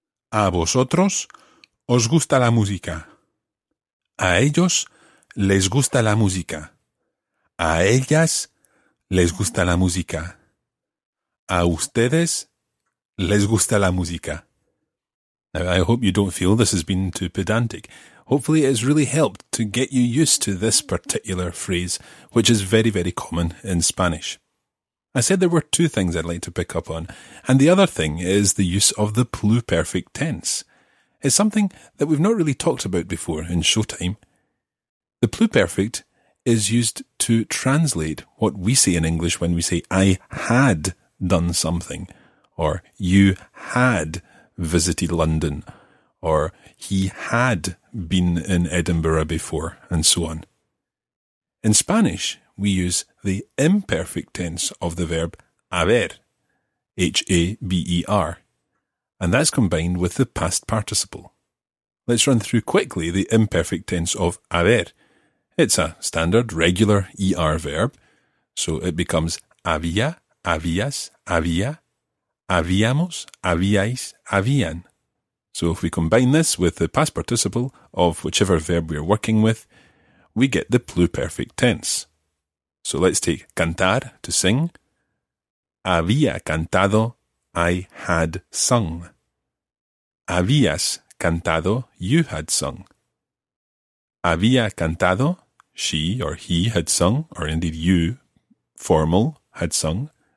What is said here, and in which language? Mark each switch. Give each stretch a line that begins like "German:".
Spanish: A vosotros, os gusta la música. A ellos, les gusta la música. A ellas, les gusta la música. A ustedes, les gusta la música.
English: Now, I hope you don't feel this has been too pedantic. Hopefully, it has really helped to get you used to this particular phrase, which is very, very common in Spanish. I said there were two things I'd like to pick up on, and the other thing is the use of the pluperfect tense. It's something that we've not really talked about before in Showtime. The pluperfect is used to translate what we say in English when we say, I had done something, or you had visited London, or he had been in Edinburgh before, and so on. In Spanish, we use the imperfect tense of the verb haber, H-A-B-E-R, and that's combined with the past participle. Let's run through quickly the imperfect tense of haber. It's a standard, regular ER verb, so it becomes
Spanish: había, habías, había, habíamos, habíais, habían.
English: So if we combine this with the past participle of whichever verb we are working with, we get the pluperfect tense. So let's take cantar, to sing.
Spanish: Había cantado,
English: I had sung.
Spanish: Habías cantado,
English: you had sung.
Spanish: Había cantado,
English: she or he had sung, or indeed you, formal, had sung.